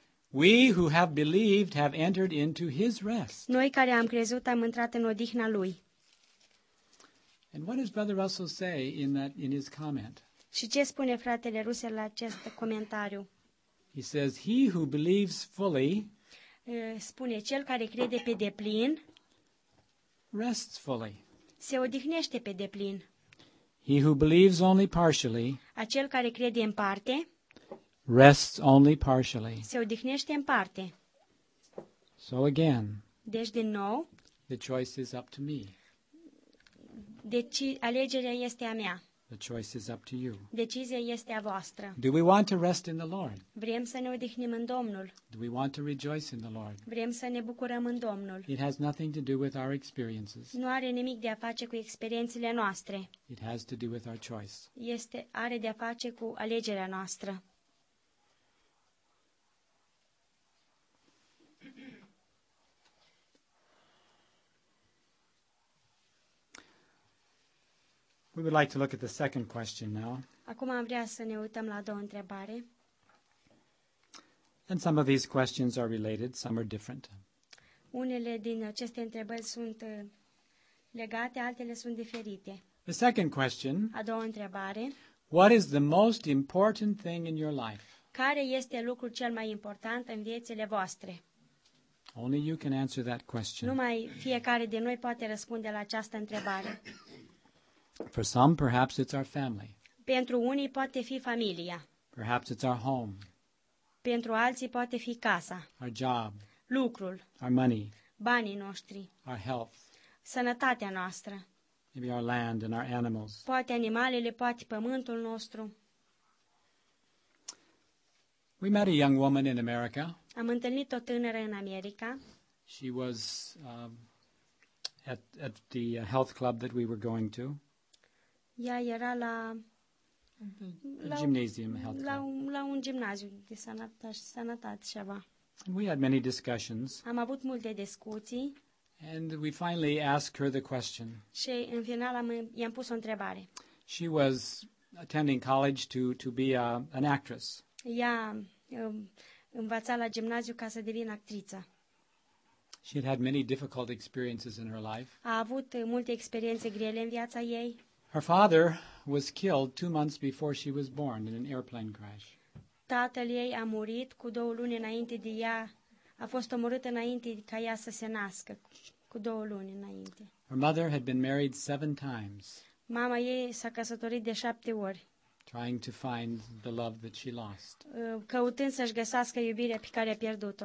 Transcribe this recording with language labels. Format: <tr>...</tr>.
<en>We who have believed have entered into his rest.</en> <ro>Noi care am crezut am intrat în odihna lui.</ro> <en>And what does Brother Russell say in his comment?</en> <ro>Și ce spune fratele Russell la acest comentariu?</ro> <en>He says he who believes fully,</en> <ro>spune cel care crede pe deplin,</ro> <en>rests fully.</en> <ro>Se odihnește pe deplin.</ro> <en>He who believes only partially,</en> <ro>acel care crede în parte,</ro> <en>rests only partially.</en> <ro>Se odihnește în parte.</ro> <en>So again.</en> <ro>Deci din nou.</ro> <en>The choice is up to me.</en> <ro>Deci alegerea este a mea.</ro> <en>The choice is up to you.</en> <ro>Decizia este a voastră.</ro> <en>Do we want to rest in the Lord?</en> <ro>Vrem să ne odihnim în Domnul.</ro> <en>Do we want to rejoice in the Lord?</en> <ro>Vrem să ne bucurăm în Domnul.</ro> <en>It has nothing to do with our experiences.</en> <ro>Nu are nimic de a face cu experiențele noastre.</ro> <en>It has to do with our choice.</en> <ro>Este are de a face cu alegerea noastră.</ro> <en>We would like to look at the second question now.</en> <ro>Acum am vrea să ne uităm la a doua întrebare.</ro> <en>And some of these questions are related, some are different.</en> <ro>Unele din aceste întrebări sunt legate, altele sunt diferite.</ro> <en>The second question.</en> <ro>A doua întrebare.</ro> <en>What is the most important thing in your life?</en> <ro>Care este lucrul cel mai important în viețile voastre?</ro> <en>Only you can answer that question.</en> <ro>Numai fiecare de noi poate răspunde la această întrebare.</ro> <en>For some, perhaps it's our family.</en> <ro>Pentru unii poate fi familia.</ro> <en>Perhaps it's our home.</en> <ro>Pentru alții poate fi casa.</ro> <en>Our job.</en> <ro>Lucrul.</ro> <en>Our money.</en> <ro>Banii noștri.</ro> <en>Our health.</en> <ro>Sănătatea noastră.</ro> <en>Maybe our land and our animals.</en> <ro>Poate animalele, poate pământul nostru.</ro> <en>We met a young woman in America.</en> <ro>Am întâlnit o tânără în America.</ro> <en>She was at the health club that we were going to.</en> <ro>Ea era la</ro> <en>gymnasium, health club.</en> <ro>La un gimnaziu de sanatate și ceva.</ro> <en>And we had many discussions.</en> <ro>Am avut multe discuții.</ro> <en>And we finally asked her the question.</en> <ro>Și în final i-am pus o întrebare.</ro> <en>She was attending college to be an actress.</en> <ro>Ea învăța la gimnaziu ca să devină actriță.</ro> <en>She had many difficult experiences in her life.</en> <ro>A avut multe experiențe grele în viața ei.</ro> <en>Her father was killed 2 months before she was born in an airplane crash.</en> <ro>Tatăl ei a murit cu 2 luni înainte de ea. A fost omorât înainte ca ea să se nască, cu 2 luni înainte.</ro> <en>Her mother had been married 7 times.</en> <ro>Mama ei s-a căsătorit de 7 ori.</ro> <en>Trying to find the love that she lost.</en> <ro>Căutând să-și găsească iubirea pe care a pierdut-o.</ro>